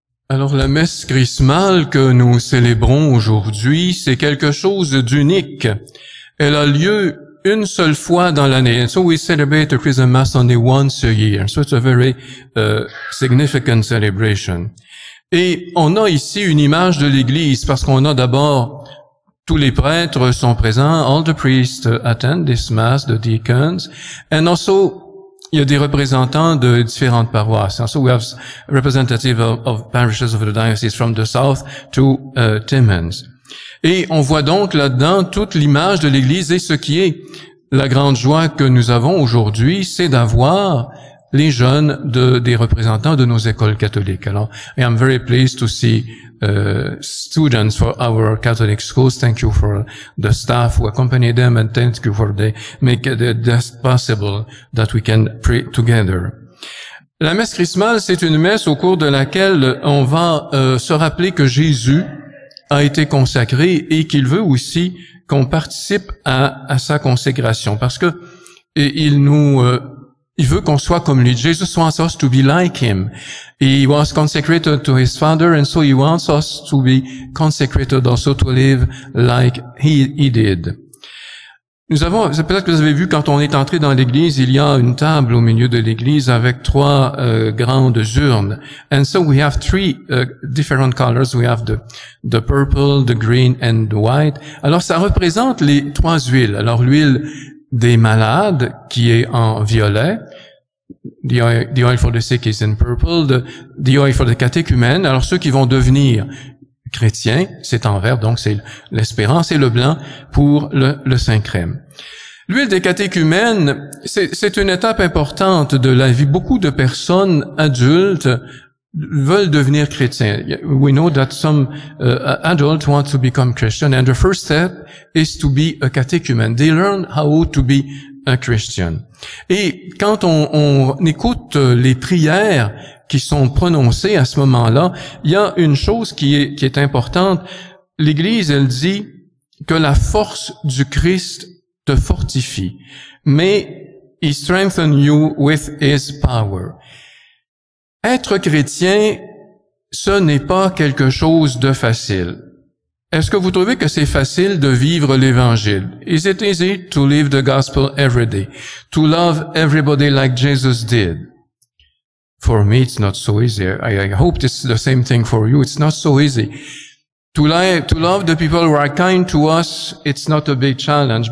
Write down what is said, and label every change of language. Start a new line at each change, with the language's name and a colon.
French: Alors, la messe chrismale que nous célébrons aujourd'hui, c'est quelque chose d'unique. Elle a lieu une seule fois dans l'année.
English: And so we celebrate the Chrism Mass only once a year. So it's a very significant celebration.
French: Et on a ici une image de l'Église, parce qu'on a d'abord tous les prêtres sont présents.
English: All the priests attend this Mass, the deacons. And also,
French: il y a des représentants de différentes paroisses.
English: And so we have representatives of parishes of the diocese from the south to Timmins.
French: Et on voit donc là-dedans toute l'image de l'Église et ce qui est la grande joie que nous avons aujourd'hui, c'est d'avoir les jeunes de, des représentants de nos écoles catholiques.
English: Alors, I am very pleased to see students for our Catholic schools. Thank you for the staff who accompany them and thank you for they make it possible that we can pray together.
French: La messe chrismale, c'est une messe au cours de laquelle on va se rappeler que Jésus a été consacré et qu'il veut aussi qu'on participe à sa consécration parce que il veut qu'on soit comme lui.
English: Jesus wants us to be like him. He was consecrated to his father and so he wants us to be consecrated also to live like he did.
French: Nous avons, peut-être que vous avez vu quand on est entré dans l'église, il y a une table au milieu de l'église avec trois grandes urnes.
English: And so we have three different colors. We have the purple, the green and the white.
French: Alors ça représente les trois huiles. Alors l'huile des malades qui est en violet,
English: the oil for the sick is in purple,
French: the oil for the catéchumènes, alors ceux qui vont devenir chrétiens, c'est en vert, donc c'est l'espérance et le blanc pour le Saint-Crème. L'huile des catéchumènes, c'est une étape importante de la vie. Beaucoup de personnes adultes veulent devenir chrétiens.
English: We know that some adults want to become Christian, and the first step is to be a catechumen. They learn how to be a Christian.
French: Et quand on écoute les prières qui sont prononcées à ce moment-là, il y a une chose qui est importante. L'Église, elle dit que la force du Christ te fortifie, mais
English: He strengthens you with His power.
French: Être chrétien, ce n'est pas quelque chose de facile. Est-ce que vous trouvez que c'est facile de vivre l'Évangile?
English: Is it easy to live the gospel every day? To love everybody like Jesus did? For me, it's not so easy. I hope it's the same thing for you. It's not so easy. To love the people who are kind to us, it's not a big challenge.